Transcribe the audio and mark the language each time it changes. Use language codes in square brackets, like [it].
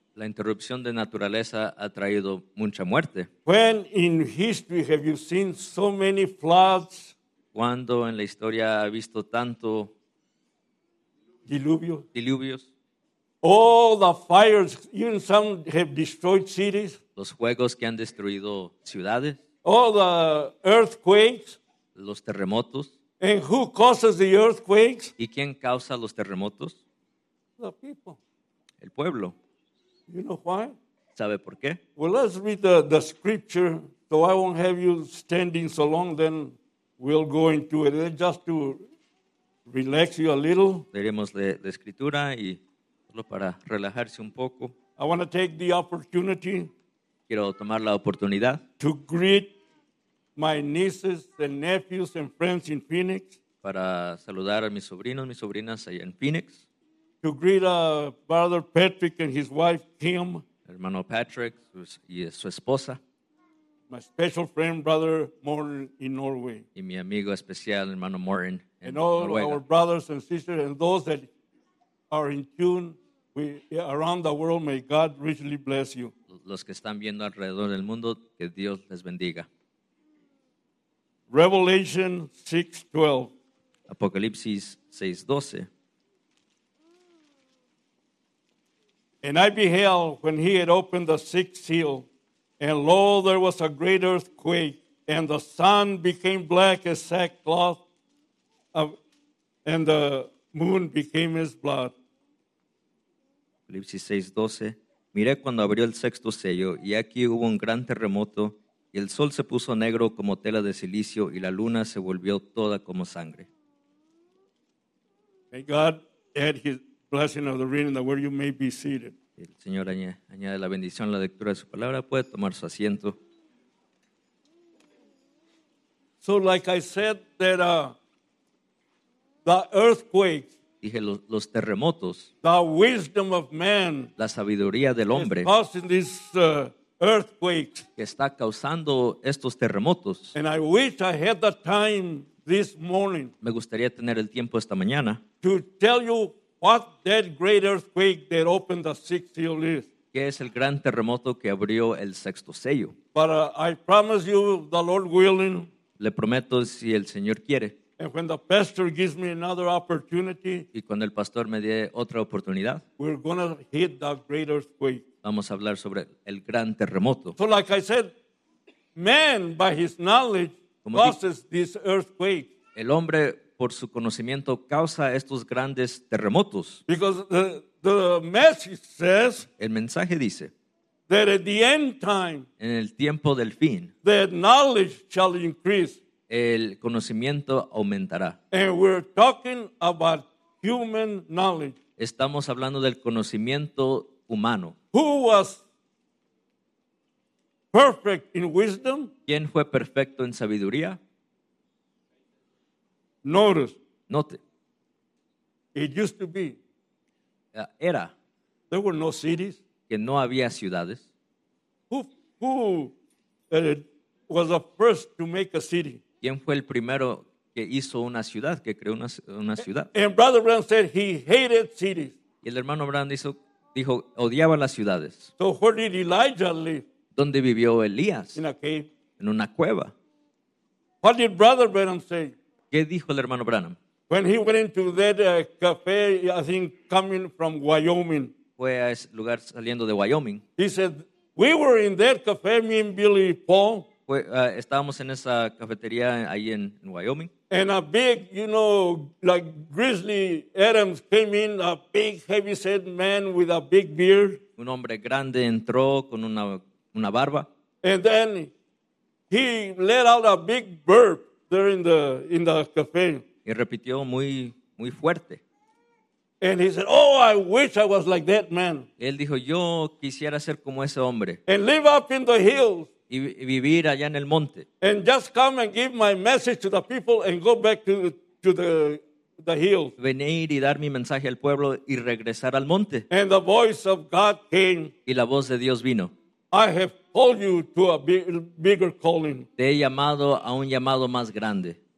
[es] La interrupción de naturaleza ha traído mucha muerte. [en] When in history have you seen so many floods? [es] ¿Cuándo en la historia ha visto tanto diluvios? [en] All the fires, even some have destroyed cities. [es] Los fuegos que han destruido ciudades. [en] All the earthquakes. [es] Los terremotos. [en] And who causes the earthquakes? [es] ¿Y quién causa los terremotos? [en] The people. [es] El pueblo. [en] You know why? [es] ¿Sabe por qué? [en] Well, let's read the scripture, so I won't have you standing so long, then we'll go into it. Just to relax you a little. [es] Leeremos la escritura y solo para relajarse un poco. [en] I want to take the opportunity. [es] Quiero tomar la oportunidad. [en] To greet my nieces and nephews and friends in Phoenix. [es] Para saludar a mis sobrinos, mis sobrinas allá en Phoenix. [en] To greet Brother Patrick and his wife Kim. [es] Hermano Patrick y su esposa. [en] My special friend Brother Morten in Norway. [es] Y mi amigo especial hermano Morten. [en] And all [es] Noruega. [en] Our brothers and sisters and those that are in tune around the world, may God richly bless you. [es] Los que están viendo alrededor del mundo, que Dios les bendiga. [en] Revelation 6:12. [es] Apocalipsis 6:12. [en] And I beheld when he had opened the sixth seal, and lo, there was a great earthquake, and the sun became black as sackcloth, and the moon became as blood. [es] Apocalipsis 6:12. Miré cuando abrió el sexto sello, y aquí hubo un gran terremoto, y el sol se puso negro como tela de silicio, y la luna se volvió toda como sangre. [en] May God add his blessing of the reading, that where you may be seated. [es] El Señor añade la bendición a la lectura de su palabra. Puede tomar su asiento. [en] So like I said, that the earthquake, [es] dije los terremotos, [en] the wisdom of man, [es] la sabiduría del hombre, [en] is causing this earthquake, [es] que está causando estos terremotos. [en] And I wish I had the time this morning, [es] me gustaría tener el tiempo esta mañana, [en] to tell you what that great earthquake that opened the sixth seal is. [es] ¿Qué es el gran terremoto que abrió el sexto sello? [en] But I promise you, the Lord willing, [es] le prometo si el Señor quiere, [en] and when the pastor gives me another opportunity, [es] y cuando el pastor me dé otra oportunidad, [en] we're going to hit that great earthquake. [es] Vamos a hablar sobre el gran terremoto. [en] So like I said, man, by his knowledge, como causes this earthquake. [es] El hombre, por su conocimiento, causa estos grandes terremotos. [en] Because the message says, [es] el mensaje dice, [en] that at the end time, [es] en el tiempo del fin, [en] that knowledge shall increase. [es] El conocimiento aumentará. [en] And we're talking about human knowledge. [es] Estamos hablando del conocimiento humano. [en] Who was perfect in wisdom? [es] ¿Quién fue perfecto en sabiduría? [en] Note. It used to be. [es] Era. [en] There were no cities. [es] Que no había ciudades. [en] Who was the first to make a city? [es] ¿Quién fue el primero que hizo una ciudad, que creó una ciudad? [en] And Brother Brown said he hated cities. [es] Y el hermano Brown dijo odiaba las ciudades. [en] So where did Elijah live? [es] ¿Dónde vivió Elías? [en] In a cave. [es] En una cueva. [en] What did Brother Brown say? [es] ¿Qué dijo el hermano Branham? [en] When he went into that café, I think coming from Wyoming. [es] Fue a ese lugar saliendo de Wyoming. [en] He said, we were in that café, me and Billy Paul. [es] Estábamos en esa cafetería ahí en Wyoming. [en] And a big, you know, like Grizzly Adams came in, a big heavyset man with a big beard. [es] Un hombre grande entró con una barba. [en] And then he let out a big burp. There in the cafe. [es] Y repitió muy fuerte. [en] And he said, "Oh, I wish I was like that man." [es] Él dijo, "Yo quisiera ser como ese hombre." [en] And live up in the hills. [es] Y vivir allá en el monte. [en] And just come and give my message to the people and go back to the hills. [es] Venir y dar mi mensaje al pueblo y regresar al monte. [en] And the voice of God came. [es] Y la voz de Dios vino. [en] I have called you to a bigger calling. [es] Te he llamado a un llamado más grande.